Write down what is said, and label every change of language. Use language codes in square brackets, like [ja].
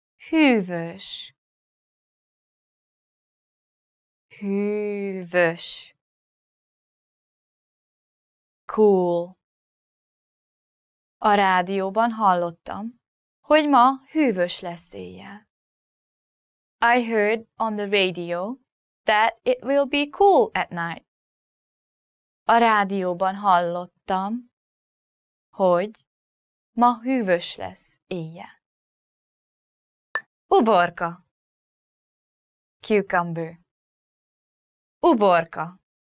[hu] Hűvös. Hűvös. [en] Cool. [hu] A rádióban hallottam, hogy ma hűvös lesz éjjel. [en] I heard on the radio that it will be cool at night. [hu] A rádióban hallottam, hogy ma hűvös lesz éjjel. Uborka. [en] Cucumber. [hu] Uborka.